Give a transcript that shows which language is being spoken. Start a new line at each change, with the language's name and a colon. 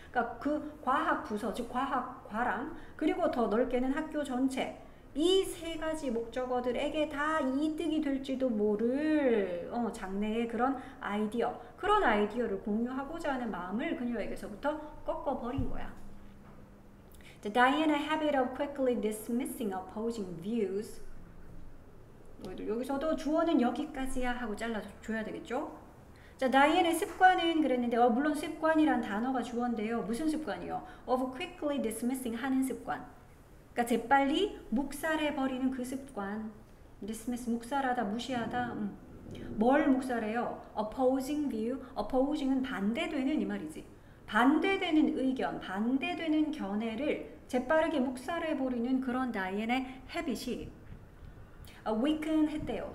Korean: 그러니까 그 과학 부서, 즉 과학과랑 그리고 더 넓게는 학교 전체 이 세 가지 목적어들에게 다 이득이 될지도 모를 장래의 그런 아이디어, 그런 아이디어를 공유하고자 하는 마음을 그녀에게서부터 꺾어버린 거야.
English: The Diana habit of quickly dismissing opposing views.
Korean: 너희들 여기서도 주어는 여기까지야 하고 잘라줘야 되겠죠? 자, 다이앤의 습관은 그랬는데 물론 습관이란 단어가 주어인데요. 무슨 습관이요?
English: Of quickly dismissing
Korean: 하는 습관. 그러니까 재빨리 묵살해버리는 그 습관. Dismiss, 묵살하다, 무시하다. 뭘 묵살해요?
English: Opposing view.
Korean: Opposing은 반대되는 이 말이지. 반대되는 의견, 반대되는 견해를 재빠르게 묵살해버리는 그런 다이앤의 habit이 weaken 했대요.